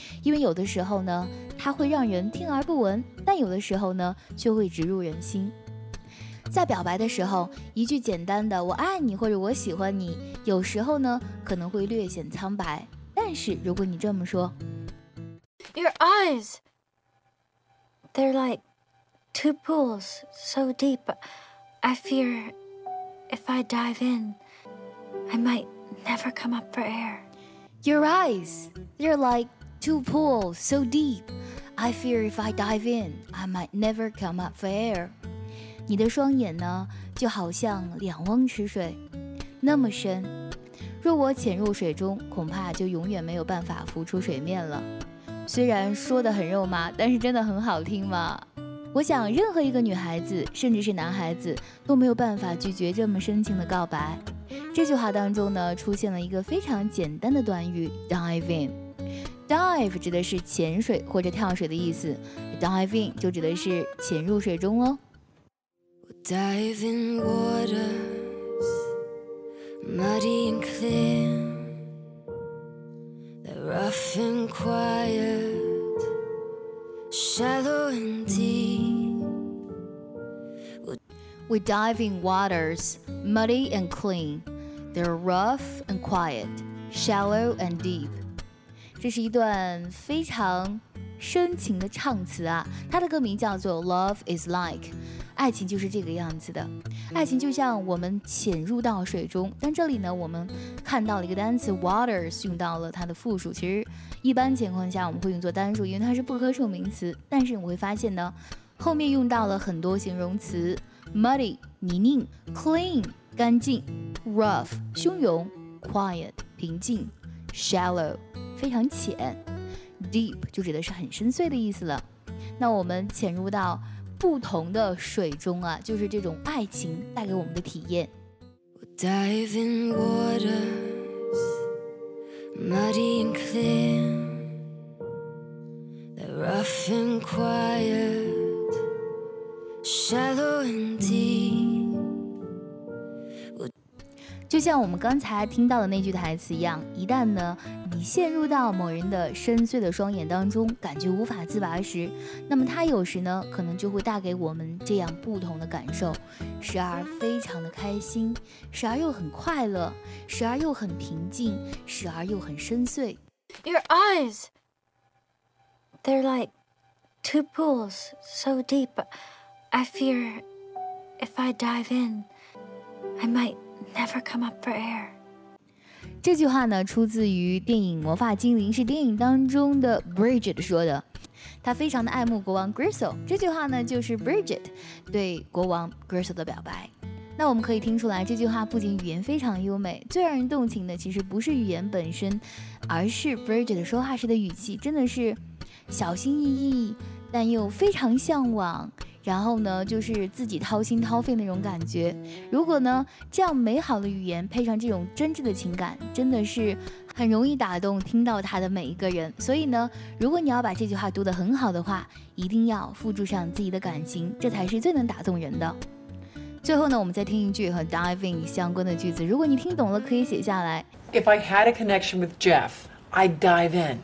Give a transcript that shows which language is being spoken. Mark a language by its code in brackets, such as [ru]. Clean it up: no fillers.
[zh] 因为有的时候呢它会让人听而不闻，但有的时候呢却会植入人心。在表白的时候，一句简单的我爱你或者我喜欢你，有时候呢可能会略显苍白，但是如果你这么说， [en] Your eyes, they're like two pools so deep, I fear if I dive in, I might never come up for air. Your eyes, they're like two pools so deep, I fear if I dive in, I might never come up for air. [zh] 你的双眼呢，就好像两汪池水，那么深，若我潜入水中，恐怕就永远没有办法浮出水面了。虽然说得很肉麻，但是真的很好听嘛。我想任何一个女孩子甚至是男孩子都没有办法拒绝这么深情的告白。这句话当中呢出现了一个非常简单的短语 dive in。 dive 指的是潜水或者跳水的意思， dive in 就指的是潜入水中哦。 [en] Dive in waters muddy and clear, the rough and quiet shallow and deep. We dive in waters muddy and clean, they're rough and quiet, shallow and deep. [zh] 这是一段非常深情的唱词啊，它的歌名叫做 Love is Like, 爱情就是这个样子的。爱情就像我们潜入到水中，但这里呢我们看到了一个单词 waters 用到了它的复数，其实一般情况下我们会用作单数，因为它是不可数名词，但是我会发现呢后面用到了很多形容词，Muddy, 泥泞 Clean, 干净 Rough, 汹涌 Quiet, 平静 Shallow, 非常浅 Deep, 就指的是很深邃的意思了。那我们潜入到不同的水中啊，就是这种爱情带给我们的体验。 [en] Dive in waters Muddy and clear, The rough and quietShallow and deep. [zh] 就像我们刚才听到的那句台词一样，一旦呢你陷入到某人的深邃的双眼当中，感觉无法自拔时，那么他有时呢可能就会带给我们这样不同的感受，时而非常的开心，时而又很快乐，时而又很平静，时而又很深邃。 [en] Your eyes, they're like two pools so deepI fear if I dive in, I might never come up for air. [zh] 这句话呢出自于电影《魔法精灵》，是电影当中的 Bridget 说的。她非常的爱慕国王 Grisel， 这句话呢就是 Bridget 对国王 Grisel 的表白。那我们可以听出来，这句话不仅语言非常优美，最让人动情的其实不是语言本身，而是 Bridget 说话时的语气，真的是小心翼翼，但又非常向往，然后呢就是自己掏心掏肺那种感觉。如果呢这样美好的语言配上这种真挚的情感，真的是很容易打动听到他的每一个人。所以呢如果你要把这句话读得很好的话，一定要附注上自己的感情，这才是最能打动人的。最后呢我们再听一句和 diving 相关的句子，如果你听懂了可以写下来。 [en] If I had a connection with Jeff, I'd dive in.